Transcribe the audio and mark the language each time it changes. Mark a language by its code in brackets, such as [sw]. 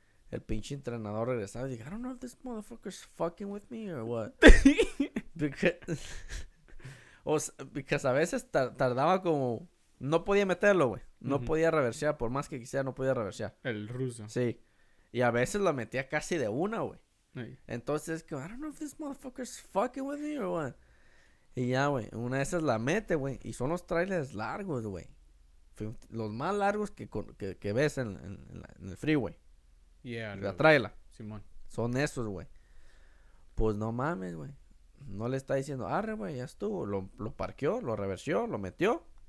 [es] El pinche entrenador regresaba y dije, [en] I don't know if this motherfucker's fucking with me or what. [es] Because a veces tardaba como... No podía meterlo, güey. No uh-huh. podía reversear. Por más que quisiera, no podía reversear. El ruso. Sí. Y a veces la metía casi de una, güey. [en] Entonces, I don't know if this motherfucker's fucking with me or what. [es] Y ya, güey. Una de esas la mete, güey. Y son los trailers largos, güey. Los más largos que ves en el freeway. [en] Yeah. [es] La traila. Simón. Son esos, güey. Pues no mames, güey. No le está diciendo, arre, güey, ya estuvo. Lo parqueó, lo reversió, lo metió.